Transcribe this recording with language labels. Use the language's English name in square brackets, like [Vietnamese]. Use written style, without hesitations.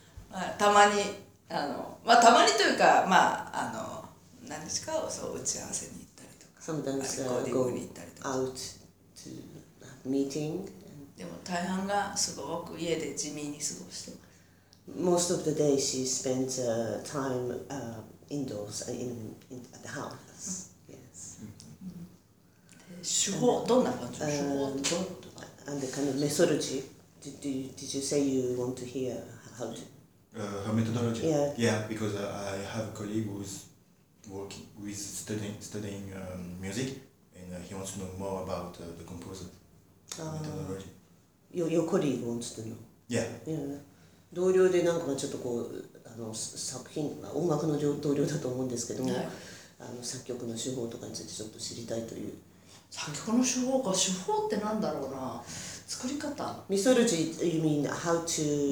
[Japanese] まあたまにあのまあたまにというかまああの。何日かをそう打ち合わせに行ったりとか、 [English] Sometimes、 [Japanese] レコーディングに行ったりとか、 [English] out to meeting。 [Japanese] でも大半がすごく家で地味に過ごしてます。 [English] Most of the day she spends time indoors in at the house. Yes. [Japanese] 手法どんな感じの手法と [English] and the kind of methodology. Did you say you want to hear how to? Her methodology. Yeah. Yeah, because I have a colleague who's working with studying music and he wants to know more about the composer methodology. Your colleague wants to know. Yeah. Yeah. [Japanese] 同僚でなんかちょっとこうあの作品音楽の同僚だと思うんですけども、 [English] yeah. [Japanese] あの作曲の手法とかについてちょっと知りたいという。作曲の手法か手法ってなんだろうな。作り方。 [English] ミソルジー、you mean how to